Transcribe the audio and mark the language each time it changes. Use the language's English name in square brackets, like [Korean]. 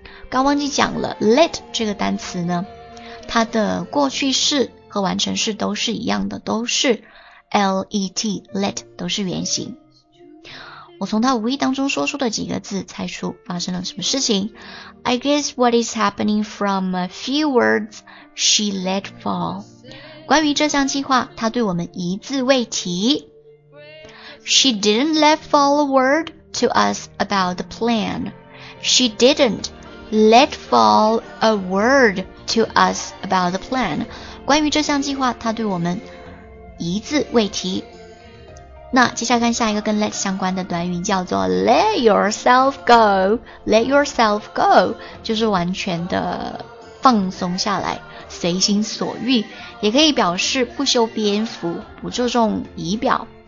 [Chinese] 刚忘记讲了 let 这个单词呢，它的过去式和完成式都是一样的，都是 let, let 都是原形。我从他无意当中说出的几个字猜出发生了什么事情。 [English] I guess what is happening from a few words she let fall. [Chinese] 关于这项计划，他对我们一字未提。 [English] She didn't let fall a word to us about the plan. She didn't let fall a word to us about the plan. [Chinese] 关于这项计划，他对我们一字未提。那接下来看下一个跟 let 相关的短语，叫做 let yourself go。 let yourself go 就是完全的放松下来，随心所欲，也可以表示不修边幅，不注重仪表。